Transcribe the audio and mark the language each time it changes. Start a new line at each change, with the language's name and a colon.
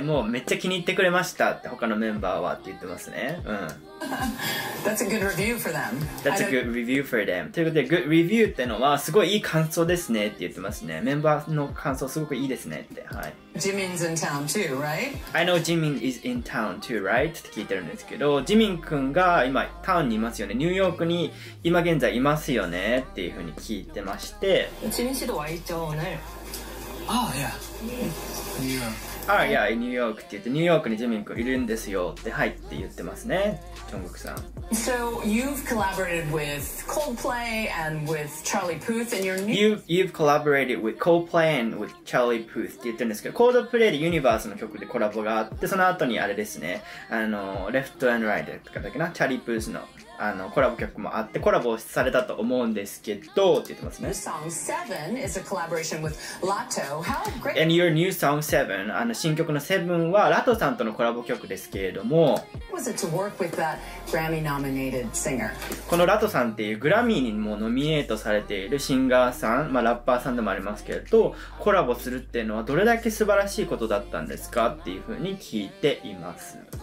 Japanese: もうめっちゃ気に入ってくれましたって他のメンバーはって言ってますね。うん。
English: That's a good review for them. That's a good review for them.
Japanese: ということで、good review ってのはすごいいい感想ですねって言ってますね。メンバーの感想すごくいいですねって。はい。
English: Jimin's in town too, right? I know Jimin is in town too, right?
Japanese: って聞いてるんですけど、Jimin くんが今タウンにいますよね。ニューヨークに今現在いますよねっていうふうに聞いてまして。
Korean: Jimin 씨도와있죠오늘.
English: Oh yeah. Yeah. Ah, yeah, in New York.
Japanese: って言って、ニューヨークにジミン君いるんですよって、はいって言ってますね、ジョングクさん。
English: So, you've collaborated with Coldplay and with Charlie Puth and your new... You've collaborated with Coldplay and with Charlie Puth
Japanese: って言ってるんですけど、Coldplay で Universe の曲でコラボがあって、その後にあれですね、あの、Left and Right とかだっけな、Charlie Puth の。あのコラボ曲もあってコラボされたと思うんですけどって言ってますね。
English: New song 7 is a collaboration with Latto. How great! And your new song 7,
Japanese: あの新曲の7はラトさんとのコラボ曲ですけれども。
English: Was it to work with that Grammy-nominated singer?
Japanese: このラトさんっていうグラミーにもノミネートされているシンガーさん、まあラッパーさんでもありますけれど、コラボするっていうのはどれだけ素晴らしいことだったんですかっていうふうに聞いています。